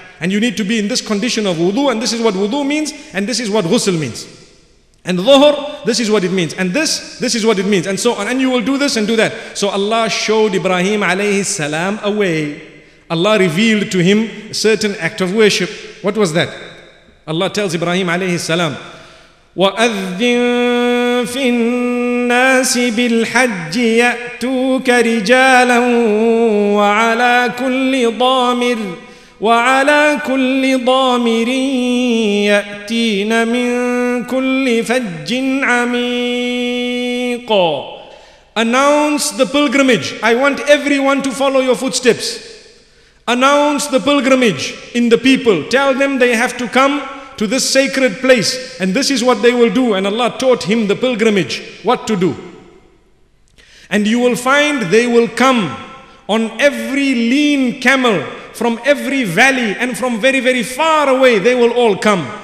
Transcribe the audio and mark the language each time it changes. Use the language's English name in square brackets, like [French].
[English] And you need to be in this condition of wudu, and this is what wudu means, and this is what ghusl means. And dhuhr, this is what it means. And this is what it means. And so on. And you will do this and do that. So Allah showed Ibrahim alayhi salam a way. Allah revealed to him a certain act of worship. What was that? [Arabic] Allah tells Ibrahim alayhi salam, وَأَذِّن فِي النَّاسِ بِالْحَجِّ يَأْتُوكَ رِجَالًا وَعَلَى كُلِّ ضَامِرٍ وَعَلَى كُلِّ ضَامِرٍ يَأْتِينَ مِنْ كُلِّ فَجٍّ عَمِيقٍ. [English] Announce the pilgrimage. I want everyone to follow your footsteps. Announce the pilgrimage in the people. Tell them they have to come to this sacred place, and this is what they will do. And Allah taught him the pilgrimage, what to do. And you will find they will come on every lean camel, from every valley and from very, very far away, they will all come.